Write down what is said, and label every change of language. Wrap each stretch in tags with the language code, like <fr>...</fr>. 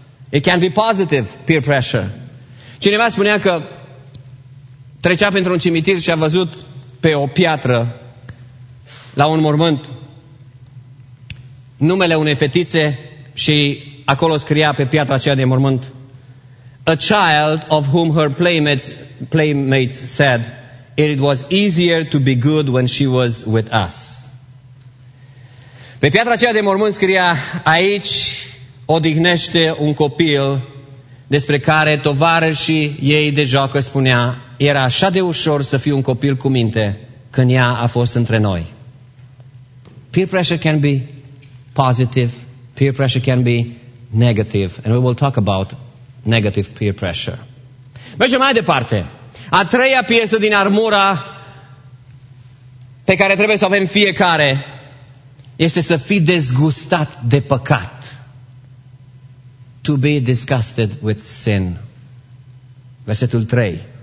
<en>It can be positive, peer pressure.</en> <ro>Cineva spunea că trecea printr-un cimitir și a văzut pe o piatră, la un mormânt, numele unei fetițe și acolo scria pe piatra aceea de mormânt,</ro> <en>a child of whom her playmates said it was easier to be good when she was with us.</en> <ro>Pe piatra aceea de mormânt scria, aici odihnește un copil despre care tovarășii ei de joacă spunea, era așa de ușor să fii un copil cu minte când ea a fost între noi.</ro> <en>Peer pressure can be positive, peer pressure can be negative, and we will talk about negative peer pressure.</en> <ro>Mergem mai departe. A treia piesă din armura pe care trebuie să avem fiecare este să fii dezgustat de păcat.</ro> <en>To be disgusted with sin.</en> <ro>Versetul 3.</ro>